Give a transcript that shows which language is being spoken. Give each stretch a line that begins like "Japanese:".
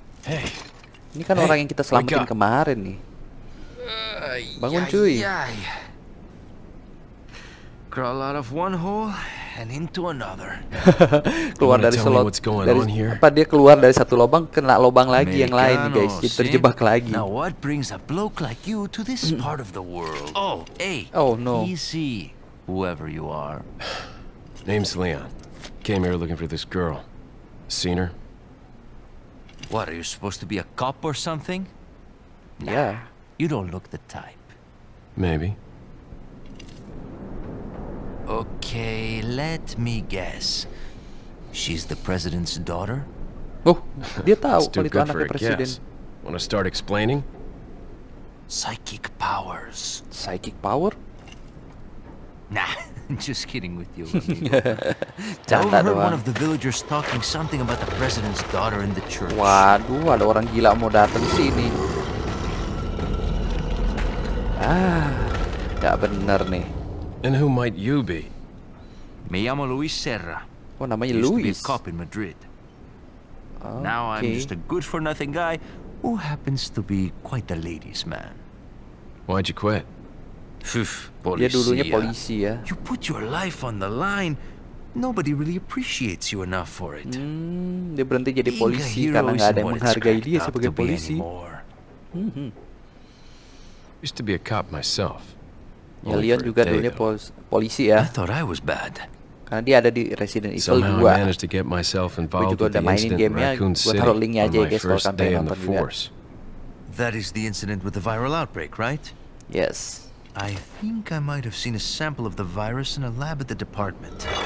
English: Hey,
Indonesian: ini kan hey, orang yang kita selamatin kemarin nih. Bangun cuy.
English: Crawl out of one hole and into another.
Indonesian: Keluar dari slot dari apa, dia keluar dari satu lubang kena lubang lagi yang lain nih guys. Kita terjebak lagi.
English: Now what brings a bloke like you to this part of the world? Oh, hey. Oh no. Easy, whoever you are. Name's Leon. Came here looking for this girl. Seen her? What, are you supposed to be a cop or something? Yeah. Nah, you don't look the type. Maybe. Okay, let me guess. She's the president's daughter?
Indonesian: Oh, dia tahu kalau itu anaknya presiden.
English: Want to start explaining? Psychic powers. Psychic power? Nah, just kidding with you.
Indonesian: Canda doang.
English: I heard one of the villagers talking something about the president's daughter in the church.
Indonesian: Waduh, ada orang gila mau datang sini. Ah, gak bener nih.
English: And who might you be?
Spanish: Me llamo Luis Serra.
Indonesian: Oh, namanya Luis.
English: Used to be a cop in Madrid. Okay. Now I'm just a good for nothing guy who happens to be quite a ladies' man. Why'd you quit?
Indonesian: Dia dulunya polisi ya.
English: You put your life on the line. Nobody really appreciates you enough for it.
Indonesian: Dia berhenti jadi polisi karena nggak ada yang menghargai dia sebagai polisi.
English: Used to be a cop myself.
Indonesian: Ya, Leon juga dulunya polisi ya.
English: I thought I was bad.
Indonesian: Karena dia ada di Resident Evil 2.
English: Somehow I managed to get myself involved with the incident.
Indonesian: Gue taruh linknya aja ya guys kalau kalian pengen nonton juga.
English: That is the incident with the viral outbreak, right? Yes. I think I might have seen a sample of the virus in a lab at the department.